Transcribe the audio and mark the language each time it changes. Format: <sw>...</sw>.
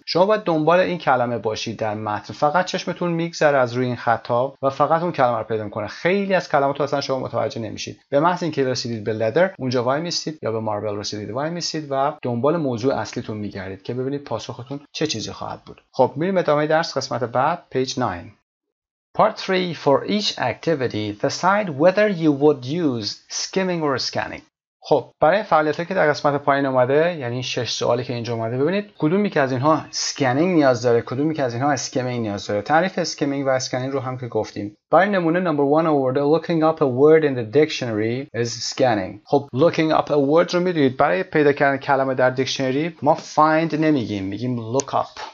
<fa>شما باید دنبال این کلمه باشید در متن، فقط چشمتون میگذره از روی این خطا و فقط اون کلمه رو پیدا میکنه. خیلی از کلمات اصلا شما متوجه نمیشید. به محض اینکه رسیدید به لدر، اونجا وای میستید، یا به ماربل رسیدید وای میستید و دنبال موضوع اصلیتون میگردید که ببینید پاسختون چه چیزی خواهد بود. خب میریم ادامه درس، قسمت بعد، پیج 9.</fa> <en>Part 3. For each activity, decide whether you would use skimming or scanning.</en> <fa>خب برای فعالیت‌ها که در قسمت پایین اومده، یعنی 6 سوالی که اینجا اومده، ببینید کدومی که از اینها سکنینگ نیاز داره، کدومی که از اینها اسکیمینگ نیاز داره. تعریف اسکیمینگ و اسکنینگ رو هم که گفتیم. برای نمونه نمبر 1 آورده،</fa> <en>looking up a word in the dictionary is scanning.</en> <fa>خب</fa> <en>looking up a word</en> <fa>رو می‌دونید، برای پیدا کردن کلمه در دیکشنری ما find نمیگیم، میگیم look up.</fa>